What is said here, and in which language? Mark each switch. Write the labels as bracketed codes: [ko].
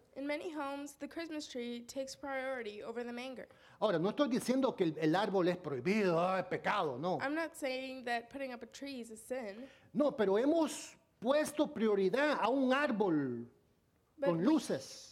[en] In many homes, the Christmas tree takes priority over the manger. [es] Ahora, no estoy diciendo que el árbol es prohibido, es pecado, no. [en] I'm not saying that putting up a tree is a sin. [es] No, pero hemos puesto prioridad a un árbol con luces.